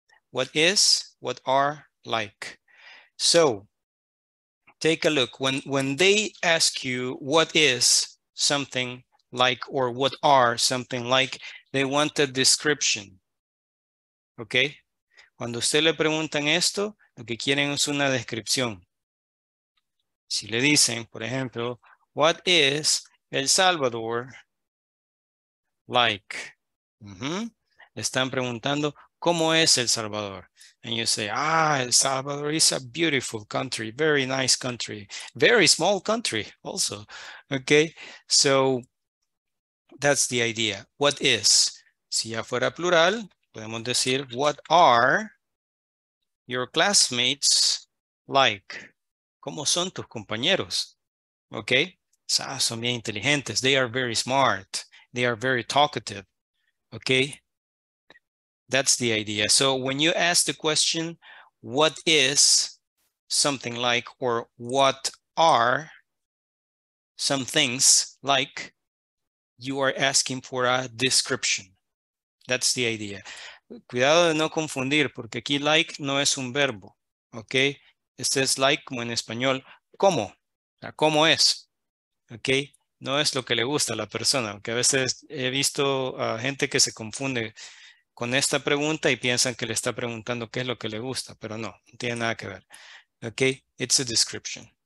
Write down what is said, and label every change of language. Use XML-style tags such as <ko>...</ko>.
<en>What is, what are like? So take a look. When they ask you what is something like or what are something like, they want a description, okay?</en> <es>Cuando usted le preguntan esto, lo que quieren es una descripción. Si le dicen, por ejemplo,</es> <en>what is El Salvador like?</en> <es>Mm-hmm. Están preguntando, ¿cómo es El Salvador?</es> <en>And you say, El Salvador is a beautiful country, very nice country, very small country also. Okay, so that's the idea. What is?</en> <es>Si ya fuera plural, podemos decir,</es> <en>what are your classmates like?</en> <es>¿Cómo son tus compañeros? Okay. Son bien inteligentes.</es> <en>They are very smart. They are very talkative. Okay. That's the idea. So when you ask the question, what is something like or what are some things like, you are asking for a description. That's the idea.</en> <es>Cuidado de no confundir porque aquí like no es un verbo. Okay.</es> <en>It says like,</en> <es>como en español, ¿cómo? ¿Cómo es? ¿Ok? No es lo que le gusta a la persona. Porque a veces he visto a gente que se confunde con esta pregunta y piensan que le está preguntando qué es lo que le gusta, pero no, no tiene nada que ver. ¿Ok?</es> <en>It's a description.</en>